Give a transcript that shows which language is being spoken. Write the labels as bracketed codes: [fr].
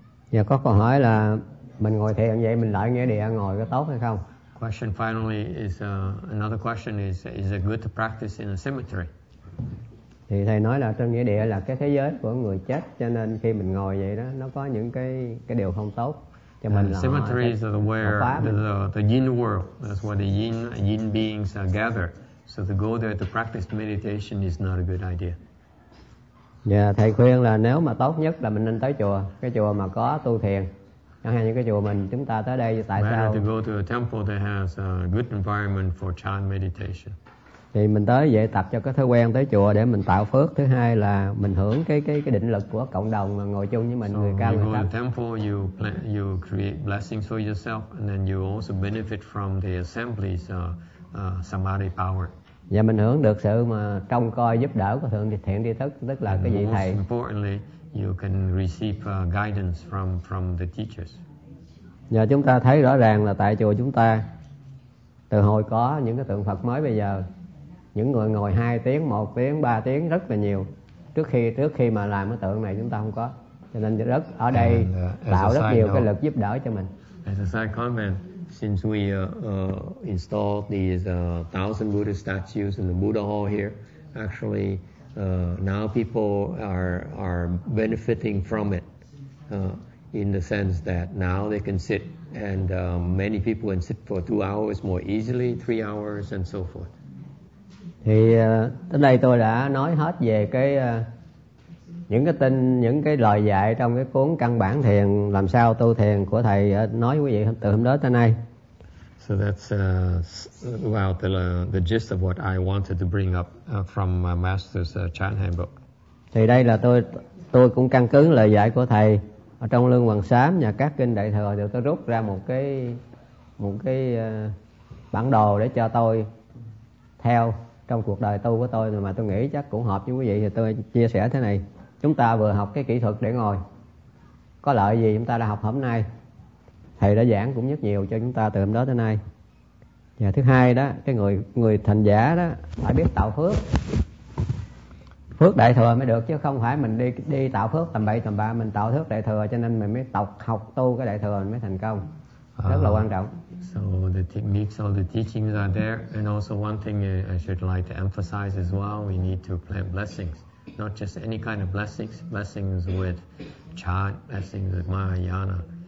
[vi] Dạ, có câu hỏi là mình ngồi thiền vậy mình lại nghe địa ngồi có tốt hay không? [en] Question finally is another question is it good to practice in a cemetery? [vi] Thì thầy nói là trên nghĩa địa là cái thế giới của người chết, cho nên khi mình ngồi vậy đó nó có những cái điều không tốt. [en] Cemeteries are where the yin world, that's where the yin beings gather. So to go there to practice meditation is not a good idea. [vi] Yeah, thầy khuyên là nếu mà tốt nhất là mình nên tới chùa, cái chùa mà có tu thiền. Chẳng hạn như cái chùa mình chúng ta tới đây, tại [en] better [vi] sao? [en] Better to go to a temple that has a good environment for chan meditation. [vi] Thì mình tới dễ tập cho cái thói quen tới chùa để mình tạo phước. Thứ hai là mình hưởng cái định lực của cộng đồng mà ngồi chung với mình, [en] so [vi] người cao người thấp. [en] So you go to temple, you create blessings for yourself, and then you also benefit from the assembly's samadhi power. [vi] Và mình hưởng được sự mà trông coi giúp đỡ của thượng thiện tri thức, tức là cái vị thầy. [en] Most importantly, you can receive guidance from the teachers. [vi] Và chúng ta thấy rõ ràng là tại chùa chúng ta, từ hồi có những cái tượng Phật mới bây giờ, những người ngồi 2 tiếng, 1 tiếng, 3 tiếng rất là nhiều. Trước khi mà làm cái tượng này chúng ta không có. Cho nên rất ở đây tạo rất nhiều cái lực giúp đỡ cho mình. [en] As a side comment, since we installed these 1,000 Buddha statues in the Buddha Hall here, actually now people are benefiting from it. in the sense that now they can sit, and many people can sit for 2 hours more easily, 3 hours, and so forth. [vi] Thì đến đây tôi đã nói hết về cái những cái tin, những cái lời dạy trong cái cuốn căn bản thiền làm sao tu thiền của thầy nói với quý vị từ hôm đó tới nay. [en] So that's well, the gist of what I wanted to bring up from my master's chant handbook. [vi] Thì đây là tôi cũng căn cứ lời dạy của thầy ở trong Lương Hoàng Sám và các kinh đại thừa, thì tôi rút ra một cái bản đồ để cho tôi theo trong cuộc đời tu của tôi, mà tôi nghĩ chắc cũng hợp với quý vị, thì tôi chia sẻ thế này. Chúng ta vừa học cái kỹ thuật để ngồi, có lợi gì chúng ta đã học hôm nay. Thầy đã giảng cũng rất nhiều cho chúng ta từ hôm đó tới nay. Và thứ hai đó, cái người thành giả đó phải biết tạo phước. Phước đại thừa mới được, chứ không phải mình đi tạo phước tầm bậy tầm bạ. Mình tạo phước đại thừa cho nên mình mới tộc học tu cái đại thừa mới thành công. Rất là quan trọng. [en] So the techniques, all the teachings are there. And also one thing I should like to emphasize as well, we need to plant blessings. Not just any kind of blessings, blessings with chant, blessings with Mahayana.